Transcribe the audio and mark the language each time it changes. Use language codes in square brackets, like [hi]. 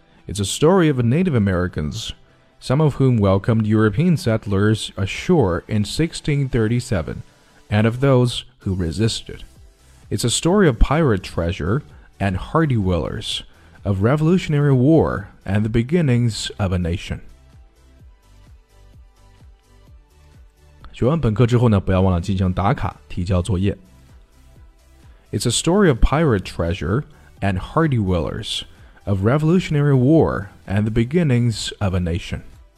[en] It's a story of Native Americans, some of whom welcomed European settlers ashore in 1637, and of those who resisted. It's a story of pirate treasure and hardy whalers, of revolutionary war and the beginnings of a nation. [zh] 学完本课之后呢，不要忘了进行打卡，提交作业。 [en] It's a story of pirate treasure and hardy whalers,of revolutionary war and the beginnings of a nation.